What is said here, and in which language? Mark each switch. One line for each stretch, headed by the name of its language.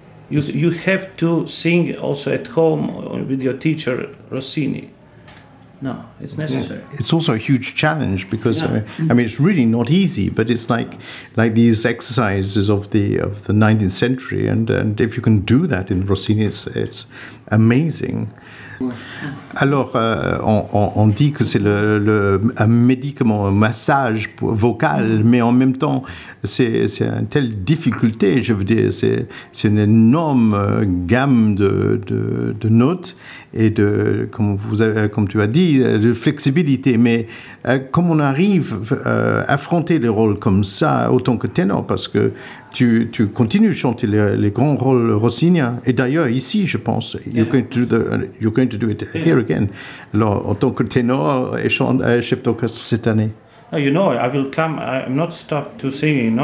English: You have to sing also at home with your teacher Rossini. No, it's necessary. Yeah. It's also a huge challenge because I mean it's really not easy, but it's like these exercises of the 19th century, and if you can do that in Rossini, it's amazing.
French: Alors, on dit que c'est un médicament, un massage vocal, mais en même temps, c'est une telle difficulté, je veux dire, c'est une énorme gamme de notes et de, comme tu as dit, de flexibilité. Mais comment on arrive à affronter les rôles comme ça, autant que ténor, parce que tu continues de chanter les grands rôles rossiniens, et d'ailleurs ici, je pense,
English: you're going to do it here again.
French: Alors, en tant que ténor et chef d'orchestre cette année.
English: You know, I will come, I'm not stopped to singing, no?